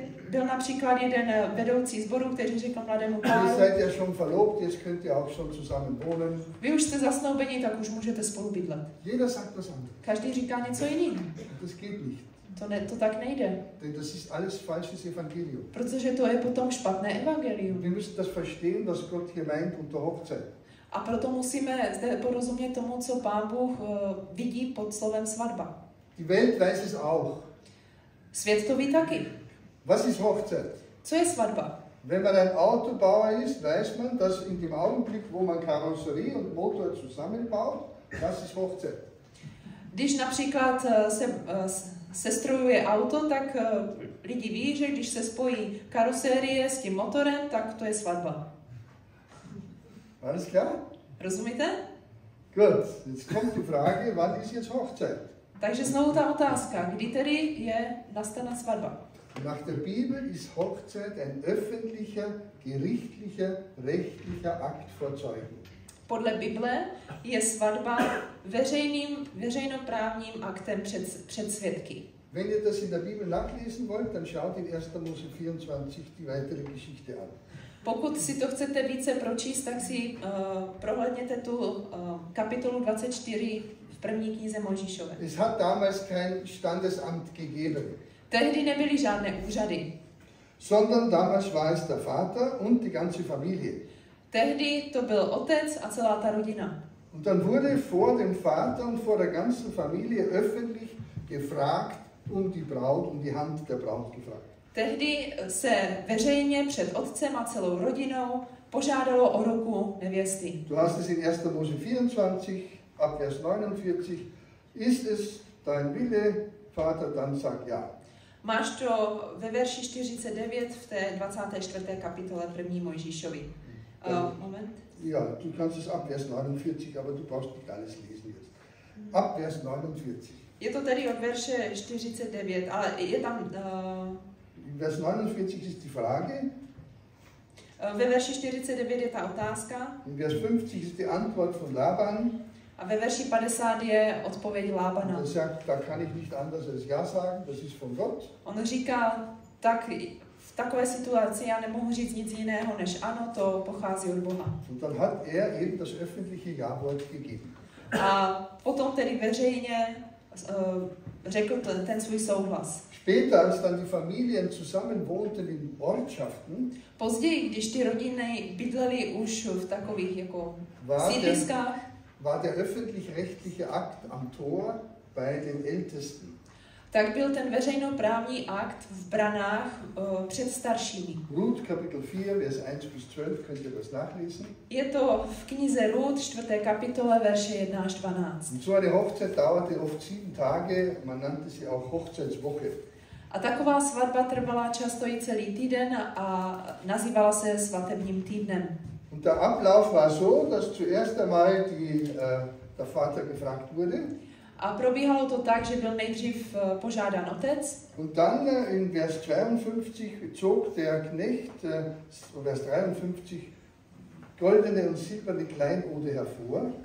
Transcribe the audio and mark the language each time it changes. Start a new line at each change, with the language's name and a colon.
Czech: Byl například jeden vedoucí sboru, který řekl mladému páru.
German: Ihr seid ja schon verlobt, jetzt könnt ihr auch schon zusammen wohnen.
Czech: Vy už jste zasnoubeni, tak už můžete spolu bydlet.
German: Jeder sagt was anderes.
Czech: Každý říká něco jiného.
German: Das geht nicht.
Czech: To tak nejde.
German: Das ist alles falsches Evangelium.
Czech: Protože to je potom špatné evangelium.
German: Wir müssen das verstehen, was Gott hier meint unter Hochzeit.
Czech: A proto musíme zde porozumět tomu, co Pán Bůh vidí pod slovem svatba.
German: Die Welt weiß es auch.
Czech: Svět to ví taky.
German: Was ist Hochzeit?
Czech: Co je svatba?
German: Wenn man ein Autobauer ist, weiß man, dass in dem Augenblick, wo man Karosserie und Motor zusammenbaut, das ist Hochzeit.
Czech: Když například sestrojuje auto, tak lidi ví, že když se spojí karosérie s tím motorem, tak to je svatba.
German: Alles klar?
Czech: Rozumíte?
German: Gut, jetzt kommt die Frage, wann ist jetzt Hochzeit?
Czech: Takže znovu ta otázka, kdy tedy je nastaná svatba?
German: Nach der Bibel ist Hochzeit ein öffentlicher, gerichtlicher, rechtlicher Akt vor Zeugen.
Czech: Podle Bible je svatba veřejnoprávním aktem před svědky.
German: Wenn ihr das in der Bibel nachlesen wollt, dann schaut in 1. Mose 24 die weitere Geschichte an.
Czech: Pokud si to chcete více pročíst, tak si prohlédněte tu kapitolu 24 v první knize Mojžíšové.
German: Es hat damals kein Standesamt gegeben.
Czech: Tehdy nebyly žádné úřady.
German: Sondern damals war es der Vater und die ganze Familie.
Czech: Tehdy to byl otec a celá ta rodina.
German: Und dann wurde vor dem Vater und vor der ganzen Familie öffentlich gefragt um die Braut, um die Hand der Braut gefragt.
Czech: Tehdy se veřejně před otcem a celou rodinou požádalo o ruku nevěsty.
German: Du hast es in 1. Mose 24, ab Vers 49, ist es dein Wille, Vater, dann sag ja.
Czech: Máš to ve verši 49 v té 24. kapitole 1. Mojžíšovi. Moment.
German: Ja, du kannst es ab Vers 49, aber du brauchst nicht alles lesen jetzt. Ab Vers 49.
Czech: Je to tady od verše 49, ale je tam...
German: Vers 49 ist die Frage.
Czech: Ve verši 49 je ta otázka.
German: Vers 50 ist die Antwort von Laban.
Czech: A ve verši 50 je odpověď Labana.
German: Er sagt, da kann ich nicht anders als ja sagen, das ist von Gott.
Czech: On říká, tak v takové situaci já nemohu říct nic jiného, než ano, to pochází od Boha.
German: Und dann hat er eben das öffentliche Ja-Wort gegeben.
Czech: A potom tedy veřejně řekl ten svůj souhlas.
German: Später, als dann die Familien zusammen wohnten in Ortschaften,
Czech: později, když ty rodiny bydleli už v takových jako sídliskách,
German: war der öffentlich-rechtliche Akt am Tor bei den Ältesten.
Czech: Tak byl ten veřejnoprávní akt v branách před staršími.
German: Ruth Kapitel 4, Vers 1 bis 12, könnt ihr das nachlesen?
Czech: Je to v knize Ruth, 4. kapitole, verše 1 až 12.
German: Und so eine Hochzeit dauerte oft 7 Tage, man nannte sie auch Hochzeitswoche.
Czech: A taková svatba trvala často i celý týden a nazývala se svatebním týdnem.
German: Und der Ablauf war so, dass zuerst einmal der Vater gefragt wurde.
Czech: A probíhalo to tak, že byl nejdřív požádán otec.
German: Und dann in Vers 52 zog der Knecht, Vers 53, goldene und silberne Kleinode hervor.